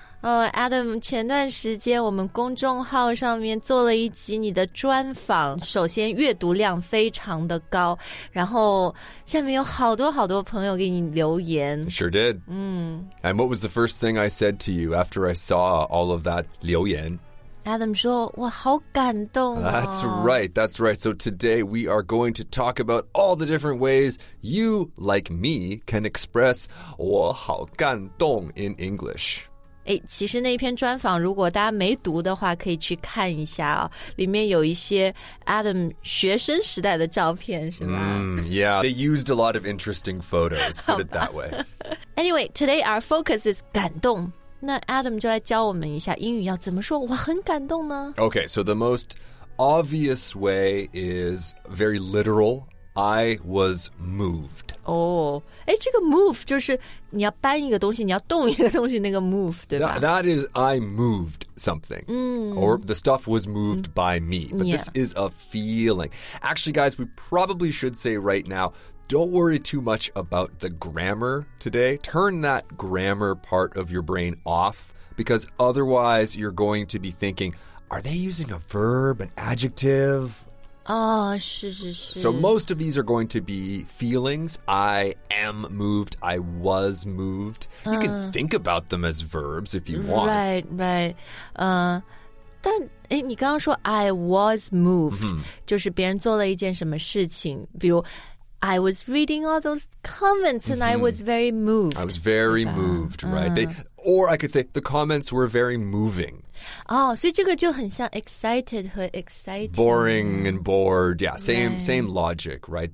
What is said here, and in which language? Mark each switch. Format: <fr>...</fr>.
<zh>Adam, 前段时间我们公众号上面做了一集你的专访，首先阅读量非常的高，然后下面有好多好多朋友给你留言。</zh> <en>Sure did. And what was the first thing I said to you after I saw all of that</en> <zh>留言？ Adam 说哇好感动啊。</zh> <en>That's right, that's right. So today we are going to talk about all the different ways you, like me, can express</en> <zh>我好感动</zh> <en>in English.</en> <zh>其实那篇专访如果大家没读的话可以去看一下、哦、里面有一些 Adam 学生时代的照片是吧、</zh> <en>Yeah, they used a lot of interesting photos, put it that way. Anyway, today our focus is 感动。</en> <zh>那 Adam 就来教我们一下英语要怎么说我很感动呢？</zh> <en>Okay, so the most obvious way is very literal. I was moved.</en> <zh>Oh, 这个 move 就是你要搬一个东西，你要动一个东西，那个 move, 对吧？</zh> <en>That is, I moved something. Or the stuff was moved by me. But this is a feeling. Actually, guys, we probably should say right now, don't worry too much about the grammar today. Turn that grammar part of your brain off, because otherwise you're going to be thinking, are they using a verb, an adjective?</en> <zh>Oh, 是是是</zh> <en>So most of these are going to be feelings. I am moved. I was moved. You can think about them as verbs if you want. Right, right.</en> <zh>但诶你刚刚说</zh> <en>I was moved,、mm-hmm.</en> <zh>就是别人做了一件什么事情。</zh> <en>比如 I was reading all those comments and、mm-hmm. I was very moved. I was very moved, right?、Or I could say the comments were very moving. Oh, so this is very excited and exciting. Boring and bored. Yeah, same,、right. same logic, right?</en>